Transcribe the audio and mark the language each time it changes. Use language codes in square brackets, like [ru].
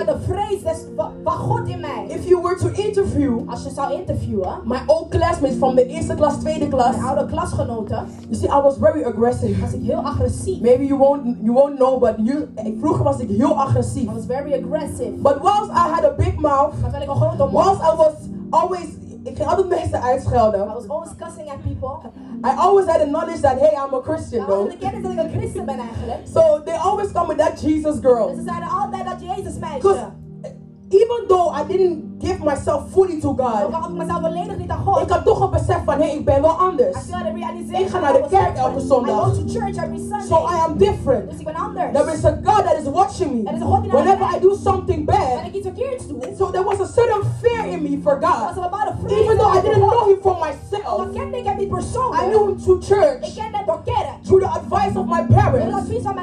[en] I got the phrase that's [nl] van God in mij. [en] If you were to interview, [nl] als je zou interviewen, [en] my old classmates from the [nl] eerste klas, tweede klas, mijn oude klasgenoten. [en] You see, I was very aggressive. [nl] Was ik heel agressief. [en] Maybe you won't know, but you [nl] vroeger was ik heel agressief. [en] I was very aggressive. But whilst I had a big mouth, [nl] terwijl ik een grote mond, [en] whilst I was always [nl] ik ging altijd mensen uitschelden. [en] I was always cussing at people. I always had the knowledge that hey, I'm a Christian, bro. [nl] Ik had de kennis dat ik een Christen ben eigenlijk. [en] So they always come with that Jesus girl. [nl] Ze zeiden altijd dat Jezus meisje. [en] Even though I didn't give myself fully to God, [nl] ik had toch een besef van, hey, ik ben wel anders. Ik ga naar de kerk elke zondag. [en] I go to church every Sunday. So I am different. [nl] Dus ik ben anders. [en] There is a God that is watching me. Whenever I do something bad, so there was a certain fear in me for God. Even though I didn't know Him for myself, I knew Him through church, through the advice of my parents.